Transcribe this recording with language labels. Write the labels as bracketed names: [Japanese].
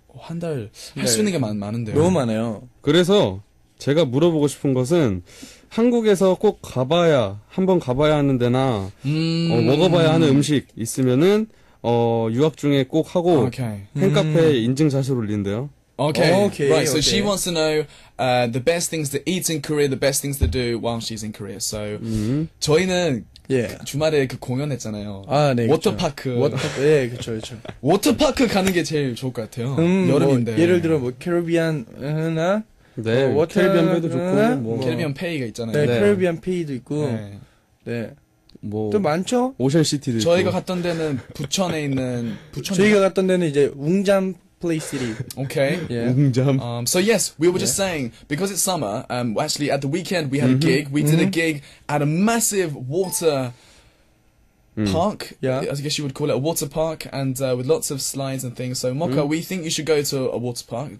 [Korean] 한 달 할 수 있는 게 많은데요. 너무 많아요. 그래서 제가 물어보고 싶은 것은 한국에서 꼭 가봐야 한번 가봐야 하는 데나 먹어봐야 하는 음식 있으면은 유학 중에 꼭 하고 팬카페 인증 샷을 올린대요. [English] Okay. Okay. Right. Okay. So she wants to know the best things to eat in Korea, the best things to do while she's in Korea. [Korean] So 저희는 [English] Yeah. [Korean] 주말에 그 공연했잖아요. 아, 네. 워터파크. 워터파크. 예, 그렇죠. 그렇죠. 워터파크 가는 게 제일 좋을 것 같아요. 여름인데. 뭐, 예를 들어 뭐 캐리비안 하나? 네. 캐리비안 페이도 좋고 뭐 캐리비안 페이가 있잖아요. 네. 캐리비안 페이도 있고. 네. 네. 뭐 또 많죠? 오션 시티도 있고. 저희가 갔던 데는 부천에 있는 부천 저희가 갔던 데는 이제 웅잠 Play City. [English] Okay. Yeah. So yes, we were just saying, because it's summer, actually at the weekend we had a gig. We did a gig at a massive water park. Yeah. I guess you would call it a water park, and with lots of slides and things. So Mocha, we think you should go to a water park.